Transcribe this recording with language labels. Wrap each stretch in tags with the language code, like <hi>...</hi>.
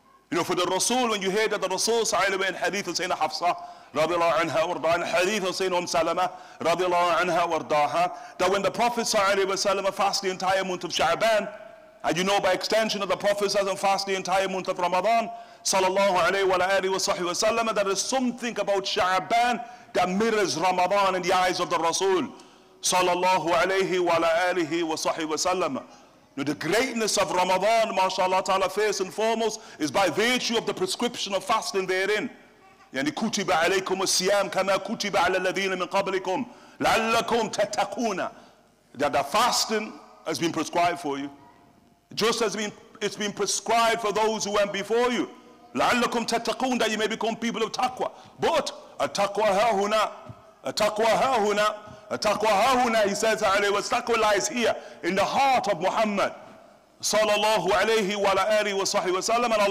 <en>You know, for the Rasul, when you hear that the Rasul sallallahu alayhi wa sallam in hadith of Sayyidina Hafsa,</en> <ar>رضي الله عنها ورضاها</ar> <en>حديث سيدنا أم سلمة رضي الله عنها ورضاها that when the Prophet</en> <ar>صلى الله عليه وسلم</ar> <en>fasts the entire month of Sha'ban, and you know by extension that the Prophet doesn't fast the entire month of Ramadan</en> <ar>صلى الله عليه وآله وصحبه وسلم,</ar> <en>there is something about Sha'ban that mirrors Ramadan in the eyes of the Rasul صلى الله عليه وآله وصحبه وسلم. Now the greatness of Ramadan, mashallah ta'ala, first and foremost is by virtue of the prescription of fasting therein.</en> <ar>يعني كتب عليكم الصيام كما كتب على الذين من قبلكم لعلكم تتقون.</ar> <en>That the fasting has been prescribed for you, just as it's been prescribed for those who went before you.</en> <ar>لعلكم تتقون,</ar> <en>that you may become people of taqwa. But</en> <ar>التقوى ها هنا, التقوى ها هنا, التقوى ها هنا,</ar> <en>he says</en> <ar>عليه وسلم, التقوى</ar> <en>lies here in the heart of Muhammad</en> <ar>صلى الله عليه وعلى آله وصحبه وسلم.</ar>